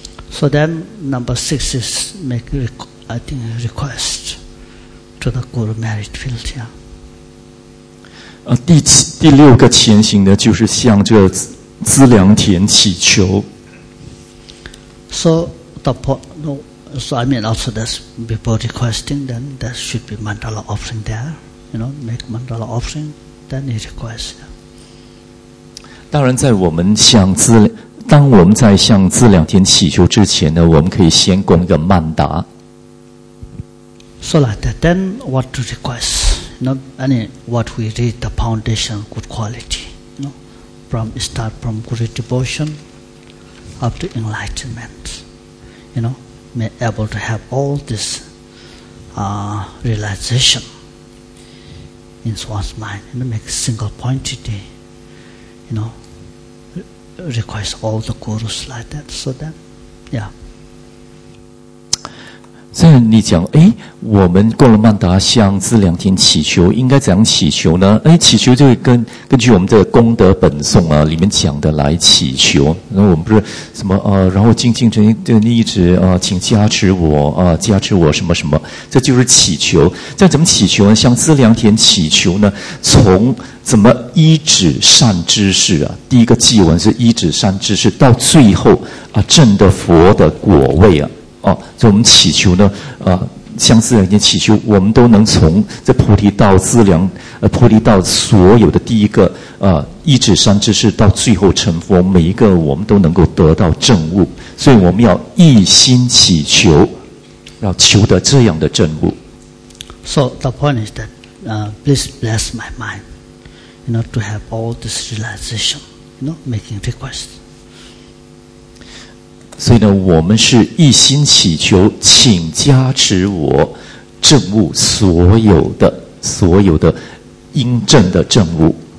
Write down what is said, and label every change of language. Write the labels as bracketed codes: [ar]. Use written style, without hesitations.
[en] So then number 6 is make a request to the guru merit field. Yeah. [zh] 第六个前行呢，就是向这资粮田祈求。 [en] So the point, no, so I mean also that's before requesting, then there should be mandala offering there, you know, make mandala offering, then he requests. Yeah. [zh] 当然在我们向资当我们在向资粮田祈求之前呢，我们可以先供一个曼达。 [en] So like that, then what to request, you know, any, what we read, the foundation, good quality, you know, from, start from guru devotion,up to enlightenment, you know, may able to have all this realization in one's mind, and you know, make a single pointed, you know, requires all the gurus like that. So then, yeah. [zh] So 你讲，哎，我们供了曼达，向资粮田祈求，应该怎样祈求呢？哎，祈求就根据我们的功德本颂啊里面讲的来祈求。那我们不是什么然后精进成就，你一直请加持我加持我什么什么，这就是祈求。这怎么祈求呢？向资粮田祈求呢，从怎么依止善知识啊，第一个偈文是依止善知识，到最后证得佛的果位啊，所以我们祈求呢向资粮田祈求，我们都能从这菩提道资粮菩提道所有的第一个一指三知识，到最后成佛，每一个我们都能够得到证悟，所以我们要一心祈求，要求得这样的证悟。 [en] So the point is that, please bless my mind, you know, to have all this realization, you know, making requests. [zh] 所以呢，我们是一心祈求，请加持我证悟所有的应证的证悟。